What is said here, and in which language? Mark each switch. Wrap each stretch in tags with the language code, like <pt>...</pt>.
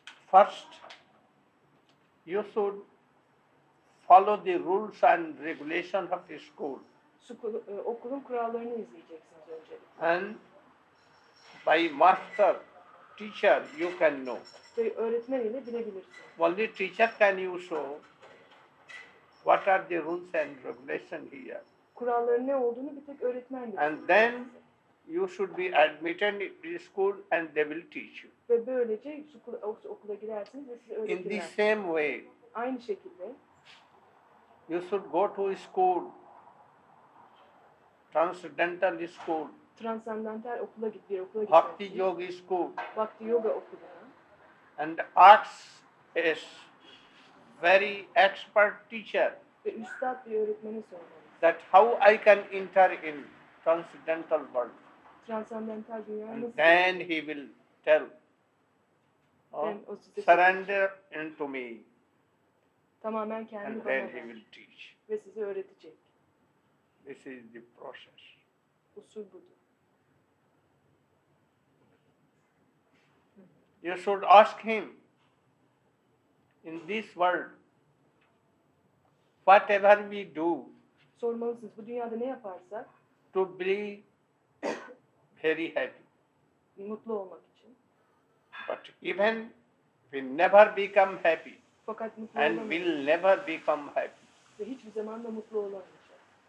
<en>first you should follow the rules and regulations of the school.</en> <tr>Okulun kurallarını izleyeceksiniz öncelikle.</tr> <en>And by master, teacher, you can know.</en> <tr>Öğretmen ile bilebilirsin.</tr> <en>Only teacher can you show what are the rules and regulations here.</en> <tr>Kuralların ne olduğunu bir tek öğretmen bilir.</tr> <en>And then you should be admitted to school and they will teach you.</en> <tr>Ve böylece okula girersiniz ve sizi öğretirler.</tr> <en>In the same way.</en> <tr>Aynı şekilde.</tr> <en>You should go to school, transcendental school.</en> <tr>Transcendental okula git, bir okula git.</tr> <en>Bhakti yoga school.</en> <tr>Bhakti yoga okulu.</tr> <en>And asks a very expert teacher.</en> <tr>Ve üstad bir öğretmeni sormalı.</tr> <en>That how I can enter in transcendental world.</en> <tr>Transcendental dünya</tr> <en>and</en> <tr>nasıl?</tr> <en>Then he will tell. Oh, surrender into me.</en> <tr>Tamamen kendi</tr> <en>and then he will teach.</en> <tr>Ve sizi öğretecek.</tr> <en>This is the process.</en> <tr>Usul budur.</tr> <en>You should ask him in this world whatever we do</en> <tr>sormalısınız bu dünyada ne yaparsak</tr> <en>to be very happy</en> <tr>mutlu olmak için</tr> <en>but even we never become happy</en> <tr>fakat mutlu</tr> <en>and will never become happy</en> <tr>ve hiçbir zaman da mutlu olamayacak</tr>